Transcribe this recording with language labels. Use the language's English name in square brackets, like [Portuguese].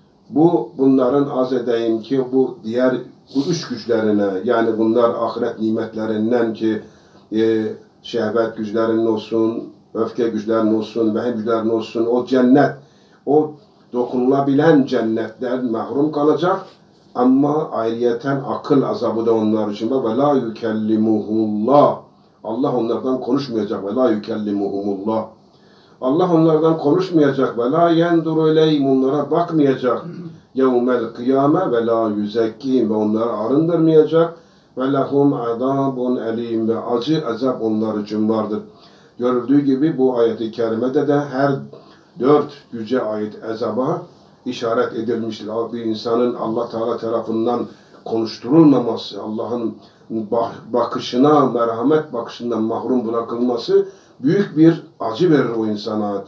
[Turkish] Bu, bunların az edeyim ki bu diğer bu üç güçlerine, yani bunlar ahiret nimetlerinden ki şehvet güçlerinin olsun, öfke güçlerinin olsun, vehim güçlerinin olsun, o cennet, o dokunulabilen cennetten mahrum kalacak. Ama ayrıyeten akıl azabı da onlar için var. [Arabic] وَلَا يُكَلِّمُهُ اللّٰهُ [Turkish] Allah onlardan konuşmayacak. [Arabic] وَلَا يُكَلِّمُهُمُ اللّٰهُ [Turkish] Allah onlardan konuşmayacak. [Arabic] وَلَا يَنْدُرُ اِلَيْهِمُ [Turkish] Onlara bakmayacak. [Arabic] يَوْمَ الْقِيَامَةِ وَلَا يُزَكِّهِمْ [Turkish] Ve onları arındırmayacak. [Arabic] وَلَهُمْ عَذَابٌ اَلِيمٌ [Turkish] Ve acı azap onlar için vardır. Görüldüğü gibi bu ayet-i kerimede de her dört güce ait azaba işaret edilmiştir. Bir insanın Allah Teala tarafından konuşturulmaması, Allah'ın bakışına, merhamet bakışından mahrum bırakılması büyük bir acı verir o insana.